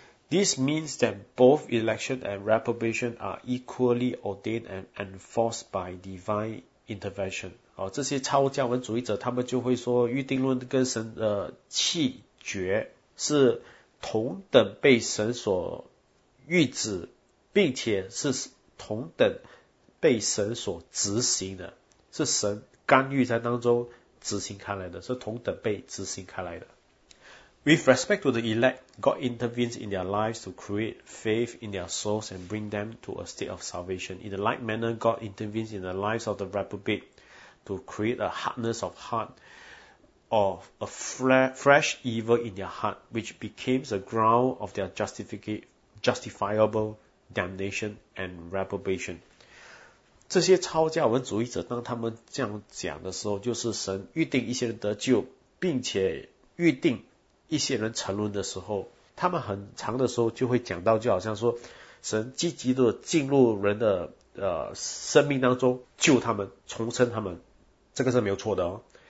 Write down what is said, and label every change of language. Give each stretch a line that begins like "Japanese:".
English: This means that both election and reprobation are equally ordained and enforced by divine intervention.
Chinese: 哦，这些超加文主义者他们就会说，预定论跟神的弃绝是同等被神所预旨，并且是同等被神所执行的，是神干预在当中执行开来的，是同等被执行开来的。
English: With respect to the elect, God intervenes in their lives to create faith in their souls and bring them to a state of salvation. In the like manner, God intervenes in the lives of the reprobate to create a hardness of heart or a fresh evil in their heart, which becomes the ground of their justifiable damnation and reprobation.
Chinese: 这些超加文主义者当他们这样讲的时候，就是神预定一些人得救，并且预定一些人沉沦的时候，他们很长的时候就会讲到，就好像说神积极的进入人的生命当中救他们重生他们，这个是没有错的哦。